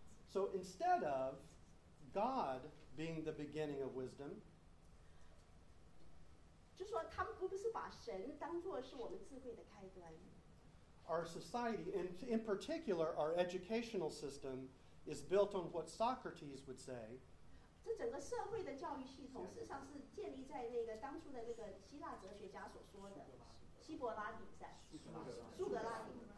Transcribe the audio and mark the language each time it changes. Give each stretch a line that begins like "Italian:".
English: So instead of God being the beginning of wisdom,
Chinese: 就说他们不是把神当作是我们智慧的开端。
English: Our society, and in particular our educational system, is built on what Socrates would say.
Chinese: 这整个社会的教育系统实际上是建立在那个当初的那个希腊哲学家所说的希伯拉底在苏格拉底。